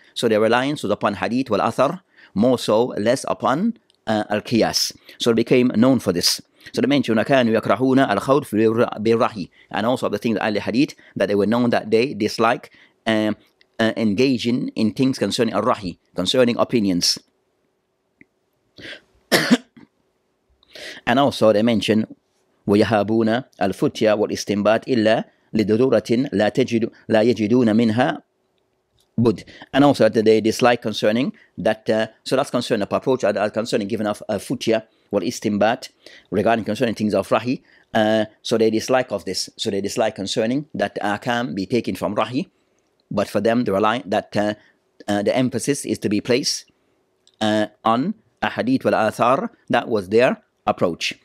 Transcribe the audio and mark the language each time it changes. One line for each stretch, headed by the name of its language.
English: So their reliance was upon hadith wal athar, more so less upon al-qiyas. So it became known for this. So they mentioned
Arabic: كانوا يكرهون الخوض بالرأي,
English: and also the things of the hadith, that they were known that they dislike engaging in things concerning al-rahi, concerning opinions. And also they mentioned
Arabic: ويهابون الفتيا والاستنباط إلا لضرورة لا تجد لا يجدون منها بد.
English: And also that they dislike concerning that so that's concerning the approach concerning giving of futya or istimbat regarding concerning things of rahi. So they dislike of this. So they dislike concerning that ahkam be taken from rahi, but for them the rely that the emphasis is to be placed on ahadith wal athar, that was there. Approach.